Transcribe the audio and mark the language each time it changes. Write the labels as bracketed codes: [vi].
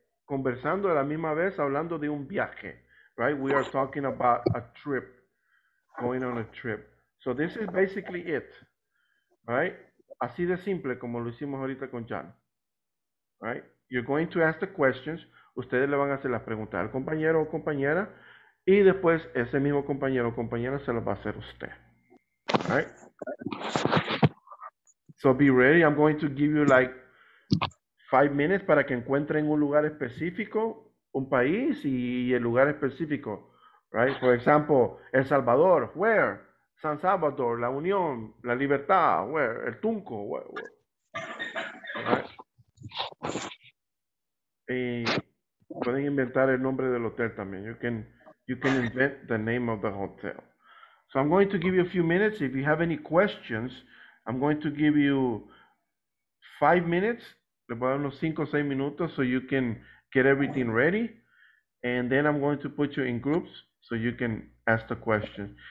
[es] Conversando a la misma vez, hablando de un viaje, right? [en] We are talking about a trip, going on a trip. So, this is basically it, right? [es] Así de simple, como lo hicimos ahorita con John. [en] Right, you're going to ask the questions. [es] Ustedes le van a hacer las preguntas al compañero o compañera, y después ese mismo compañero o compañera se las va a hacer usted. [en] Right. So be ready. I'm going to give you like 5 minutes [es] para que encuentren un lugar específico, un país y el lugar específico. [en] Right. For example, El Salvador. Where? San Salvador. La Unión. La Libertad. Where? El Tunco. Where? Right. [es] Y pueden inventar el nombre del hotel también. [en] You can invent the name of the hotel. So I'm going to give you a few minutes. If you have any questions, I'm going to give you 5 minutes. [es] Le voy a dar unos 5 o 6 minutos [en] so you can get everything ready. And then I'm going to put you in groups so you can ask the questions.